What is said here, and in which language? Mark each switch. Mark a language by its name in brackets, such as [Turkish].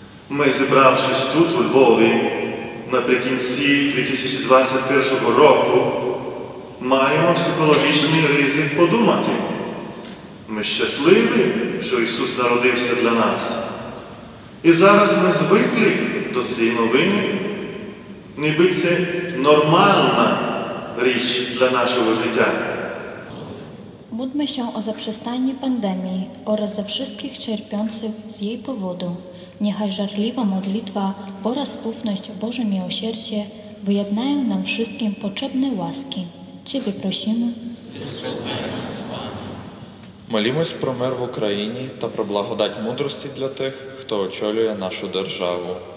[Ukrainian] Ми, зібравшись тут, у Львові, наприкінці 2021 року, маємо психологічний ризик подумати. Ми щасливі, що Ісус народився для нас. І зараз ми звикли до цієї новини, ніби це нормальна річ для нашого життя. [Polish] Módlmy się o zaprzestanie pandemii oraz za wszystkich cierpiących z jej powodu. Niechaj żarliwa modlitwa oraz ufność w Boże miłosierdzie wyjednają nam wszystkim potrzebne łaski. Ciebie prosimy. [Ukrainian] Молімось про мир в Україні та про благодать мудрості для тих, хто очолює нашу державу.